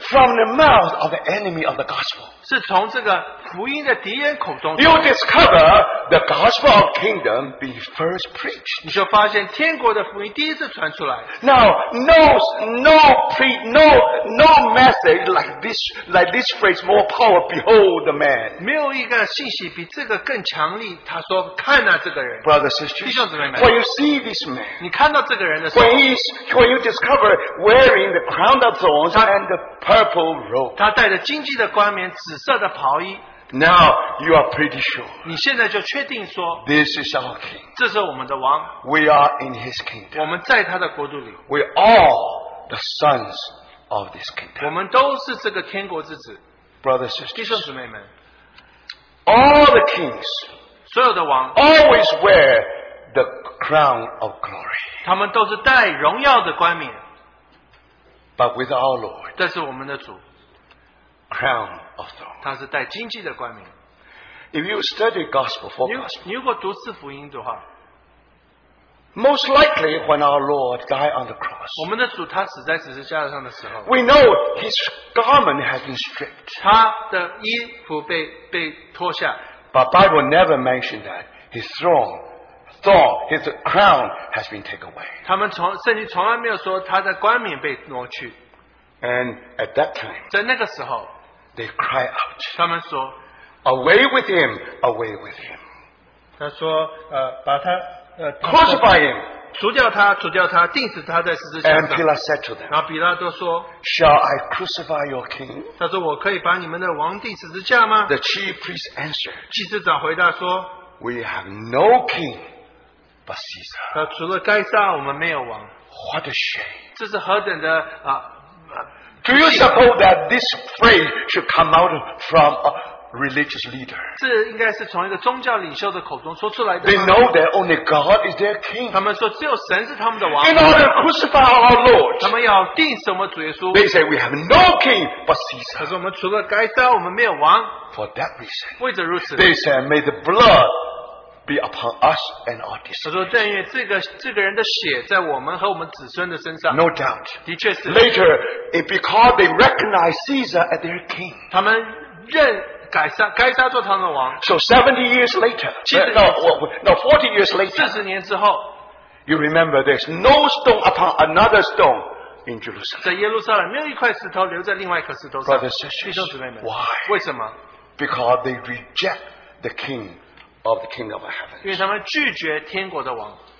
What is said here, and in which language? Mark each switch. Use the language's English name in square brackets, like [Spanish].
[English] From the mouth of the enemy of the gospel, [Chinese] 是从这个福音的敌人口中, [English] you discover the gospel of kingdom being first preached. [Chinese] 你就发现天国的福音第一次传出来。 [English] Now, no message like this phrase more power, behold the man. [Chinese] 没有一个信息比比这个更强力, 他说, [English] Brothers, sisters, [Chinese] 弟兄姊妹们, [English] when you see this man, [Chinese] 你看到这个人的时候, [English] when you discover wearing the crown of thorns and the purple robe, [Chinese] 他带着荆棘的冠冕, 紫色的袍衣, [English] now you are pretty sure. [Chinese] 你现在就确定说, [English] this is our king. [Chinese] 这是我们的王, [English] we are in his kingdom. [Chinese] 我们在他的国度里, [English] we are all the sons of this kingdom. [Chinese] 我们都是这个天国之子, [English] brothers, sisters, [Chinese] 弟兄姊妹们, [English] all the kings [Chinese] 所有的王, [English] always wear the crown of glory. [Chinese] 他们都是戴荣耀的冠冕, [English] but with our Lord, [Chinese] 这是我们的主, [English] crown of thorns. [Chinese] 他是戴荆棘的冠冕。 [English] If you study gospel for gospel, [Chinese] 如果读四福音的话, [English] most likely when our Lord died on the cross, [Chinese] 我们的主他死在十字架上的时候, [English] we know his garment has been stripped. [Chinese] 他的衣服被脱下, [English] but Bible never mentioned that his throne, his crown has been taken away. [Chinese] 他们从圣经从来没有说他的冠冕被挪去。 [English] And at that time, [Chinese] 在那个时候, [English] they cry out, [Chinese] 他们说, [English] away with him, away with him. [Chinese] 他说, 把他, [English] crucify him. [Chinese] 除掉他, 除掉他, 定死他在十字架上。 [English] And Pilate said to them, [Chinese] 然后比拉多说, [English] shall I crucify your king? [Chinese] 他说, 我可以把你们的王定十字架吗? [English] The chief priest answered, [Chinese] 祭司长回答说, [English] we have no king but Caesar. [Chinese] 他除了该杀, 我们没有王。 [English] What a shame. [Chinese] 这是何等的, [English] do you suppose that this phrase should come out from a religious leader? They know that only God is their king. In order to crucify our Lord, they say we have no king but Caesar. [Chinese] 他说我们除了该杀, [English] for that reason, [Chinese] 为着如此, [English] they say may the blood be upon us and our descendants. No doubt. [Chinese] 的确是, [English] later, it because they recognize Caesar as their king. [Chinese] 他们认, 该杀做他们的王, [English] so 70 years later, [Chinese] 70, [English] no, 40 years later, [Chinese] 40年之后, [English] you remember there's no stone upon another stone in Jerusalem. [Chinese] 在耶路撒冷, 没有一块石头留在另外一颗石头上, [English] brothers and sisters, [Chinese] 弟兄姊妹们, [English] why? [Chinese] 为什么? [English] Because they reject the king of the kingdom of heaven. [Chinese] 因为他们拒绝天国的王,